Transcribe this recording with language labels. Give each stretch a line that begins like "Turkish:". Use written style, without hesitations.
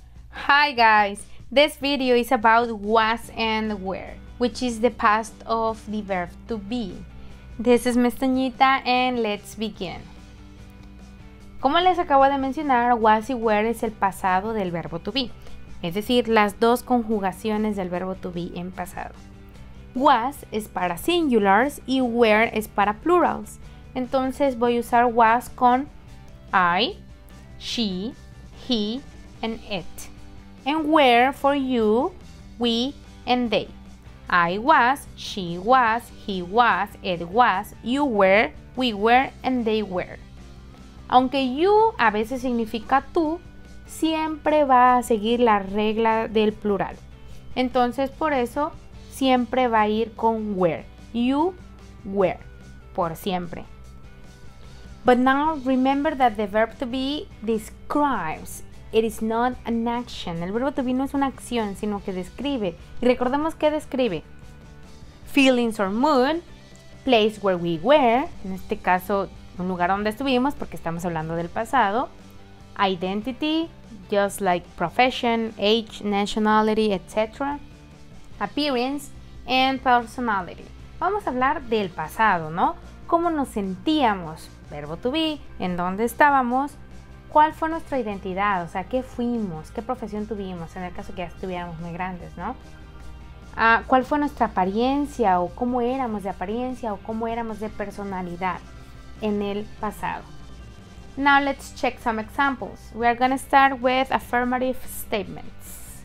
English: Hi guys, this video is about was and were, which is the past of the verb to be. This is Miss Toñita and let's begin.
Spanish: Como les acabo de mencionar, was y were es el pasado del verbo to be, es decir, las dos conjugaciones del verbo to be en pasado. Was es para singulars y were es para plurals. Entonces voy a usar was con
English: I, she, he and it. And where for you, we, and they. I was, she was, he was, it was, you were, we were, and they were.
Spanish: Aunque you a veces significa tú, siempre va a seguir la regla del plural. Entonces, por eso, siempre va a ir con were. You were. Por siempre.
English: But now, remember that the verb to be describes. It is not an action.
Spanish: El verbo to be no es una acción, sino que describe. Y recordemos que describe.
English: Feelings or mood. Place where we were.
Spanish: En este caso, un lugar donde estuvimos, porque estamos hablando del pasado.
English: Identity. Just like profession, age, nationality, etc. Appearance and personality.
Spanish: Vamos a hablar del pasado, ¿no? ¿Cómo nos sentíamos? Verbo to be. ¿En dónde estábamos? ¿Cuál fue nuestra identidad? O sea, ¿qué fuimos? ¿Qué profesión tuvimos? En el caso que ya estuviéramos muy grandes, ¿no? ¿Cuál fue nuestra apariencia? ¿O cómo éramos de apariencia? ¿O cómo éramos de personalidad en el pasado?
English: Now let's check some examples. We are going to start with affirmative statements.